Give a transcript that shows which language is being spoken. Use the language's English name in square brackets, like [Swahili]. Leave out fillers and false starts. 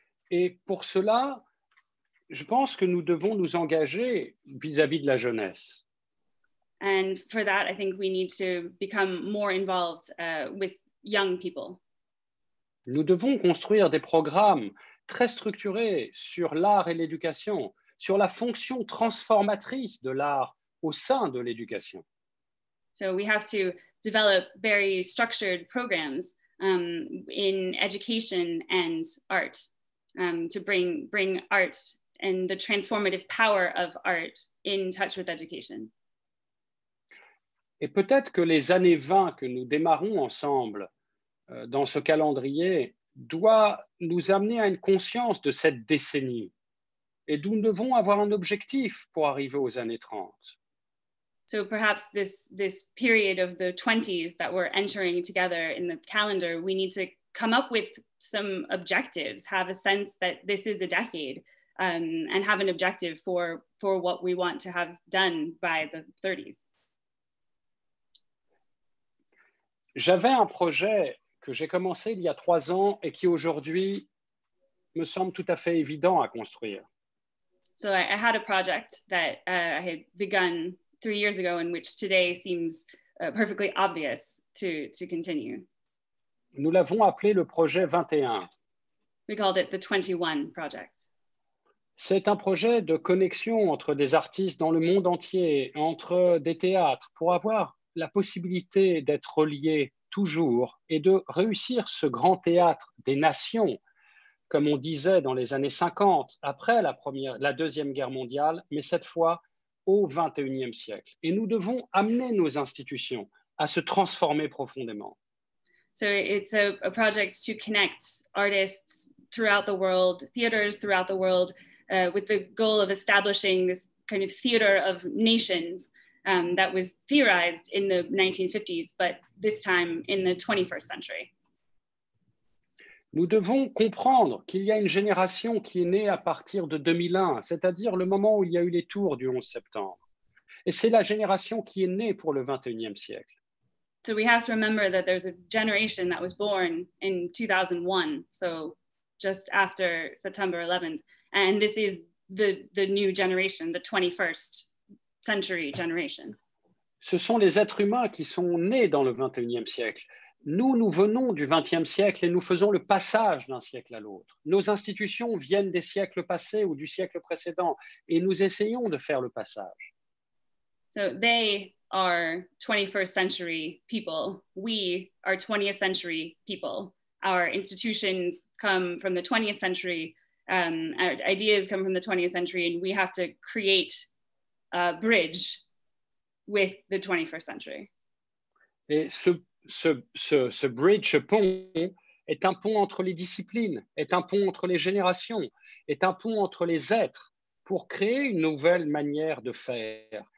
[French] Et pour cela, je pense que nous devons nous engager vis-à-vis de la jeunesse. [English] And for that, I think we need to become more involved with young people. [French] Nous devons construire des programmes très structuré sur l'art et l'éducation, sur la fonction transformatrice de l'art au sein de l'éducation. [English] So we have to develop very structured programs in education and art to bring art and the transformative power of art in touch with education. [French] Et peut-être que les années 20 que nous démarrons ensemble dans ce calendrier doit nous amener à une conscience de cette décennie et nous devons avoir un objectif pour arriver aux années 30. [English] So perhaps this period of the 20s that we're entering together in the calendar, we need to come up with some objectives, have a sense that this is a decade and have an objective for what we want to have done by the 30s. [French] J'avais un projet que j'ai commencé il y a 3 ans et qui aujourd'hui me semble tout à fait évident à construire. [English] So I had a project that I had begun 3 years ago and which today seems perfectly obvious to continue. [French] Nous l'avons appelé le projet 21. [English] We called it the 21 project. [French] C'est un projet de connexion entre des artistes dans le monde entier, entre des théâtres, pour avoir la possibilité d'être reliés toujours et de réussir ce grand théâtre des nations, comme on disait dans les années 50, après la Deuxième Guerre mondiale, mais cette fois au XXIe siècle. Et nous devons amener nos institutions à se transformer profondément. [English] So it's a project to connect artists throughout the world, theaters throughout the world, with the goal of establishing this kind of theater of nations, that was theorized in the 1950s, but this time in the 21st century. [French] Nous devons comprendre qu'il y a une génération qui est née à partir de 2001, c'est-à-dire le moment où il y a eu les tours du 11 septembre. Et c'est la génération qui est née pour le 21e siècle. [English] So we have to remember that there's a generation that was born in 2001, so just after September 11th, and this is the new generation, the 21st century generation. [French] Ce sont les êtres humains qui sont nés dans le 21e siècle. Nous, nous venons du 20e siècle et nous faisons le passage d'un siècle à l'autre. Nos institutions viennent des siècles passés ou du siècle précédent et nous essayons de faire le passage. [English] So they are 21st century people. We are 20th century people. Our institutions come from the 20th century. Our ideas come from the 20th century and we have to create a bridge with the 21st century. [French] Et ce bridge, ce pont, est un pont entre les disciplines, est un pont entre les générations, est un pont entre les êtres pour créer une nouvelle manière de faire.